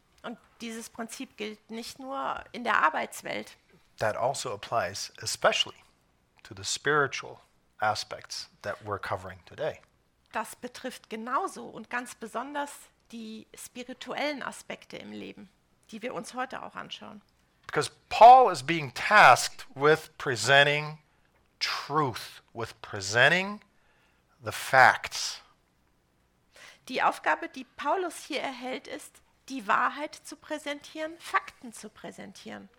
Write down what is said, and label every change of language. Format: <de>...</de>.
<de>Und dieses Prinzip gilt nicht nur in der Arbeitswelt.</de> <en>That also applies especially to the spiritual aspects that we're covering today.</en> <de>Das betrifft genauso und ganz besonders die spirituellen Aspekte im Leben, die wir uns heute auch anschauen.</de> <en>Because Paul is being tasked with presenting truth, with presenting the facts.</en> <de>Die Aufgabe, die Paulus hier erhält, ist, die Wahrheit zu präsentieren, Fakten zu präsentieren.</de>